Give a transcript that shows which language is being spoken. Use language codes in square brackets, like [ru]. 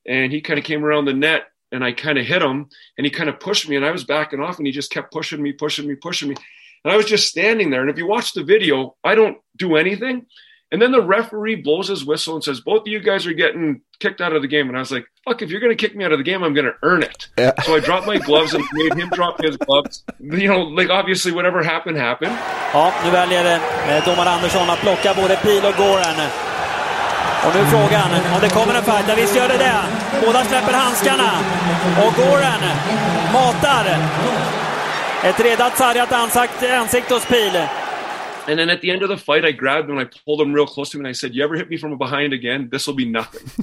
[en] And he kind of came around the net, and I kind of hit him. And he kind of pushed me, and I was backing off. And he just kept pushing me. And I was just standing there. And if you watch the video, I don't do anything. And then the referee blows his whistle and says, both of you guys are getting kicked out of the game. And I was like, fuck, if you're going to kick me out of the game, I'm going to earn it. Yeah. So I dropped my gloves and made him drop his gloves. Obviously, whatever happened. [sv] Ja, nu väljer domare Andersson att plocka både Pihl och Goran. Och nu frågan, om det kommer en fight, visst gör det. Båda släpper handskarna. Och Goran matar ett redat sargat ansikt hos Pihl. [en] And then at the end of the fight, I grabbed him and I pulled him real close to me and I said, you ever hit me from behind again, this will be nothing.